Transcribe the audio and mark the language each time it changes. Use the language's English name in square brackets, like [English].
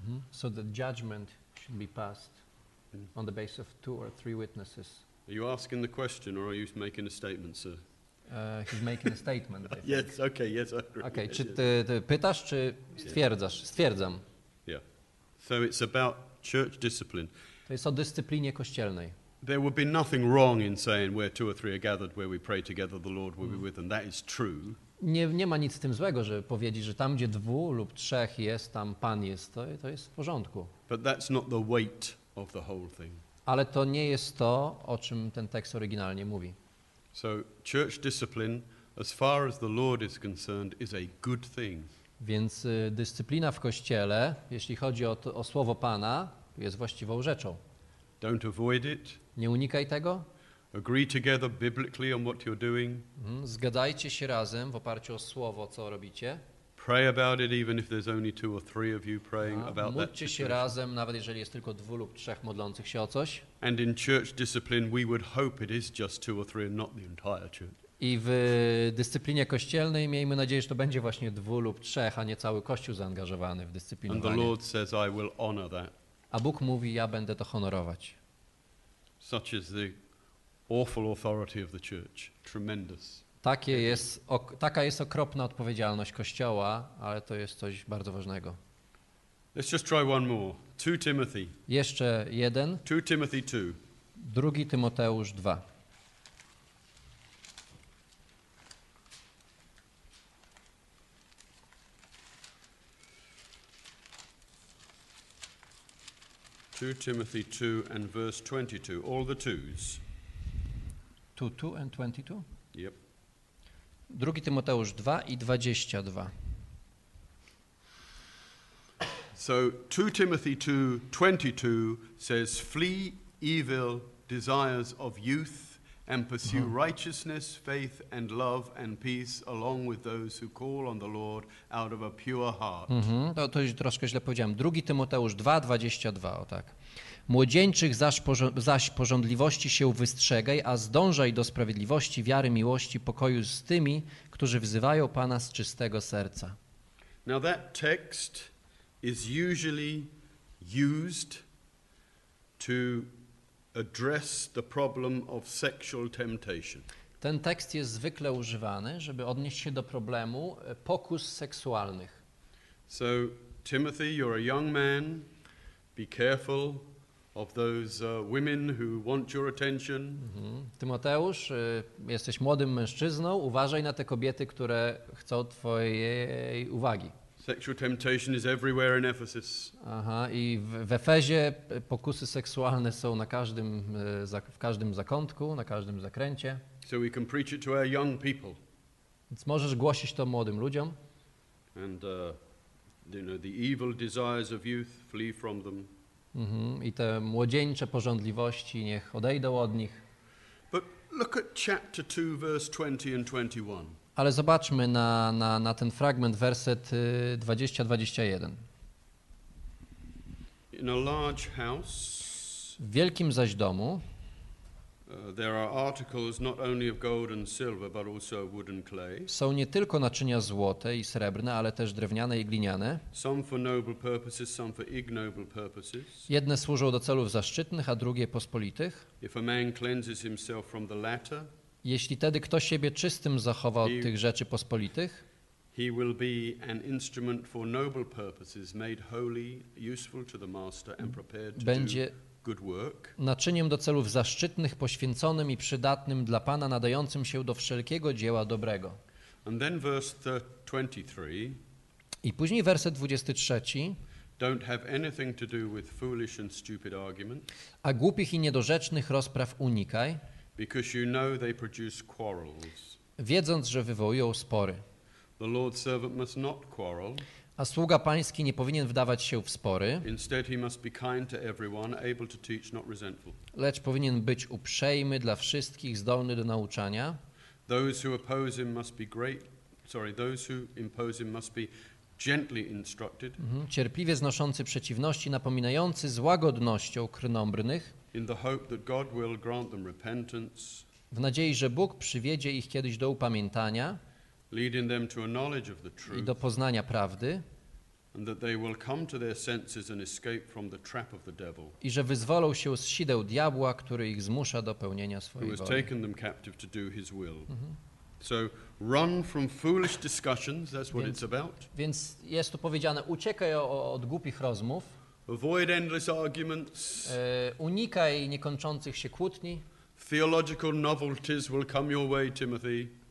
[English] So the judgment should be passed on the basis of two or three witnesses. Are you asking the question or are you making a statement, sir? He's making a statement. Yes, okay, yes, I agree. Okay, yes, [Polish] czy ty, ty pytasz, czy stwierdzasz? [English] Yeah. [Polish] Stwierdzam. [English] So it's about church discipline. [Polish] To jest o dyscyplinie kościelnej. [English] There would be nothing wrong in saying where two or three are gathered, where we pray together, the Lord will be with them. That is true. [Polish] Nie ma nic z tym złego, żeby powiedzieć, że tam gdzie dwóch lub trzech jest, tam Pan jest. To jest w porządku. [English] But that's not the weight of the whole thing. [Polish] Ale to nie jest to, o czym ten tekst oryginalnie mówi. [English] So church discipline, as far as the Lord is concerned, is a good thing. [Polish] Więc dyscyplina w Kościele, jeśli chodzi o, to, o Słowo Pana, jest właściwą rzeczą. [English] Don't avoid it. [Polish] Nie unikaj tego. [English] Agree together biblically on what you're doing. [Polish] Zgadzajcie się razem w oparciu o Słowo, co robicie. [English] Pray about it, even if there's only two or three of you praying about that. [Polish] Módlcie się razem, nawet jeżeli jest tylko dwóch lub trzech modlących się o coś. [English] And in church discipline we would hope it is just two or three and not the entire church. [Polish] I w dyscyplinie kościelnej miejmy nadzieję, że to będzie właśnie dwóch lub trzech, a nie cały Kościół zaangażowany w dyscyplinowanie. [English] And the Lord says, I will honor that. [Polish] A Bóg mówi, ja będę to honorować. [English] Such is the awful authority of the church. Tremendous. [Polish] Taka jest okropna odpowiedzialność Kościoła, ale to jest coś bardzo ważnego. [English] Let's just try one more. 2 Timothy. [Polish] Jeszcze jeden. [English] 2 Timothy 2. [Polish] 2 Tymoteusz 2. [English] Timothy 2 and verse 22, all the twos. 2 and 22? Yep. [Polish] 2 Tymoteusz 2 i 22. [English] So 2 Timothy 2, 22 says, flee evil desires of youth and pursue righteousness, faith and love and peace along with those who call on the Lord out of a pure heart. [Polish] To już troszkę źle powiedziałem. 2 Tymoteusz 2, 22, o tak. Młodzieńczych zaś pożądliwości się wystrzegaj, a zdążaj do sprawiedliwości, wiary, miłości, pokoju z tymi, którzy wzywają Pana z czystego serca. [English] Now that text is usually used to address the problem of sexual temptation. [Polish] Ten tekst jest zwykle używany, żeby odnieść się do problemu pokus seksualnych. [English] So, Timothy, you're a young man, be careful of those women who want your attention. [Polish] Tymoteusz, jesteś młodym mężczyzną, uważaj na te kobiety, które chcą twojej uwagi. [English] Sexual temptation is everywhere in Ephesus. [Polish] Aha, i w Efezie pokusy seksualne są na każdym w każdym zakątku, na każdym zakręcie. [English] So we can preach it to our young people. [Polish] Więc możesz głosić to młodym ludziom. [English] And you know, the evil desires of youth, flee from them. [Polish] I te młodzieńcze pożądliwości niech odejdą od nich. [English] But look at chapter 2, verse 20 and 21. [Polish] Ale zobaczmy na ten fragment, werset 20-21. [English] In a large house, [Polish] w wielkim zaś domu [English] there are articles not only of gold and silver, but also of wood and clay. [Polish] Są nie tylko naczynia złote i srebrne, ale też drewniane i gliniane. [English] Some for noble purposes, some for ignoble purposes. [Polish] Jedne służą do celów zaszczytnych, a drugie pospolitych. [English] If a man cleanses himself from the latter, [Polish] jeśli tedy kto siebie czystym zachowa od tych rzeczy pospolitych, [English] he will be an instrument for noble purposes, made holy, useful to the master and prepared to [Polish] będzie [English] do good work. [Polish] Naczyniem do celów zaszczytnych, poświęconym i przydatnym dla Pana, nadającym się do wszelkiego dzieła dobrego. [English] And then verse 23. [Polish] I później werset 23. [English] Don't have anything to do with foolish and stupid arguments. [Polish] A głupich i niedorzecznych rozpraw unikaj. [English] Because you know they produce quarrels. [Polish] Wiedząc, że wywołują spory. [English] The Lord's servant must not quarrel. [Polish] A sługa pański nie powinien wdawać się w spory. [English] Instead he must be kind to everyone, able to teach, not resentful. [Polish] Lecz powinien być uprzejmy dla wszystkich, zdolny do nauczania. [English] Those who oppose him must be great, those who impose him must be gently instructed. [Polish] Cierpliwie znoszący przeciwności, napominający z łagodnością krnąbrnych. [English] In the hope that God will grant them repentance. [Polish] W nadziei, że Bóg przywiedzie ich kiedyś do upamiętania. [English] Leading them to a knowledge of the truth, [Polish] i do poznania prawdy, [English] and that they will come to their senses and escape from the trap of the devil, [Polish] i że wyzwolą się z sideł diabła, który ich zmusza do pełnienia swojej woli, [English] who has taken them captive to do his will. So run from foolish discussions, that's what it's about. [Polish] Więc jest tu powiedziane, uciekaj od głupich rozmów. [English] Avoid endless arguments. [Polish] Unikaj niekończących się kłótni. [English] Theological novelties will come your way, Timothy.